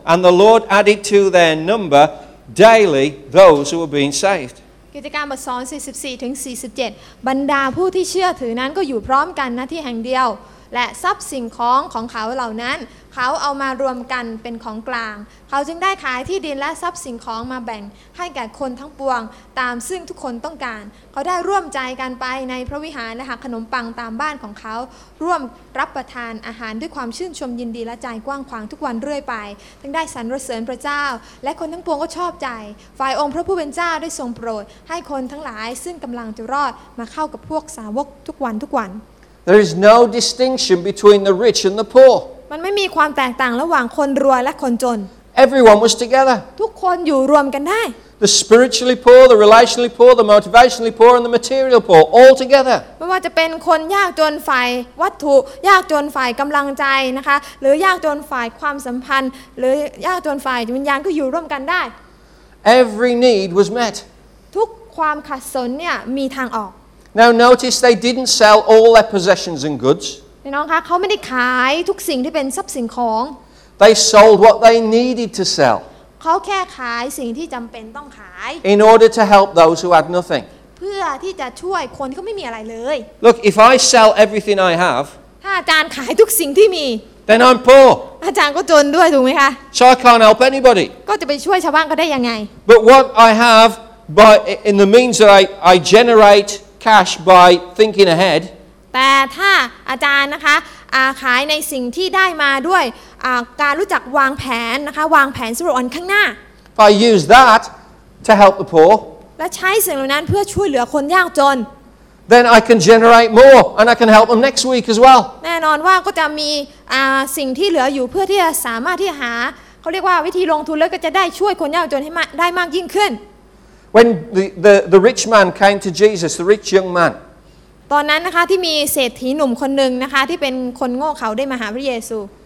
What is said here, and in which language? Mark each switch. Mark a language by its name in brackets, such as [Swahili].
[English] And the Lord added to their number daily those who were being saved. [Thai] กิจการบทสอน44ถึง47บรรดาผู้ที่เชื่อถือนั้นก็อยู่พร้อมกันณที่แห่งเดียวและทรัพย์สินของเขาเหล่านั้นเขาเอามารวมกันเป็นของกลางเขาจึงได้ขายที่ดินและทรัพย์สินของมาแบ่งให้แก่คนทั้งปวงตามซึ่งทุกคนต้องการเขาได้ร่วมใจกันไปในพระวิหารและหักขนมปังตามบ้านของเขา ร่วมรับประทานอาหารด้วยความชื่นชมยินดีและใจกว้างขวางทุกวันเรื่อยไปทั้งได้สรรเสริญพระเจ้าและคนทั้งปวงก็ชอบใจฝ่ายองค์พระผู้เป็นเจ้าได้ทรงโปรดให้คนทั้งหลายซึ่งกำลังจะรอดมาเข้ากับพวกสาวกทุกวันทุกวัน [English] There is no distinction between the rich and the poor. [Thai] มันไม่มีความแตกต่างระหว่างคนรวยและคนจน [English] Everyone was together. [Thai] ทุกคนอยู่รวมกันได้ [English] The spiritually poor, the relationally poor, the motivationally poor, and the material poor, all together. [Thai] ไม่ว่าจะเป็นคนยากจนฝ่ายวัตถุยากจนฝ่ายกำลังใจนะคะหรือยากจนฝ่ายความสัมพันธ์หรือยากจนฝ่ายวิญญาณก็อยู่ร่วมกันได้ [English] Every need was met. [Thai] ทุกความขัดสนเนี่ยมีทางออก [English] Now notice they didn't sell all their possessions and goods. [Thai] พี่น้องคะเขาไม่ได้ขายทุกสิ่งที่เป็นทรัพย์สินของ [English] They sold what they needed to sell. [Thai] เขาแค่ขายสิ่งที่จำเป็นต้องขาย [English] In order to help those who had nothing. [Thai] เพื่อที่จะช่วยคนที่ไม่มีอะไรเลย [English] Look, if I sell everything I have. [Thai] ถ้าอาจารย์ขายทุกสิ่งที่มี [English] Then I'm poor. [Thai] อาจารย์ก็จนด้วยถูกไหมคะ [English] So I can't help anybody. [Thai] ก็จะไปช่วยชาวบ้านก็ได้ยังไง [English] But what I have, by in the means that I generate. Cash by thinking ahead. [Thai] แต่ถ้าอาจารย์นะคะขายในสิ่งที่ได้มาด้วยการรู้จักวางแผนนะคะวางแผนสำรองข้างหน้า [English] If I use that to help the poor. [Thai] และใช้สิ่งเหล่านั้นเพื่อช่วยเหลือคนยากจน [English] Then I can generate more and I can help them next week as well. [Thai] แน่นอนว่าก็จะมีสิ่งที่เหลืออยู่เพื่อที่จะสามารถที่หาเขาเรียกว่าวิธีลงทุนแล้วก็จะได้ช่วยคนยากจนให้ได้มากยิ่งขึ้น [English] When the rich man came to Jesus, the rich young man. [Thai] ตอนนั้นนะคะที่มีเศรษฐีหนุ่มคนหนึ่งนะคะที่เป็นคนโง่เขลาได้มาหาพระเยซู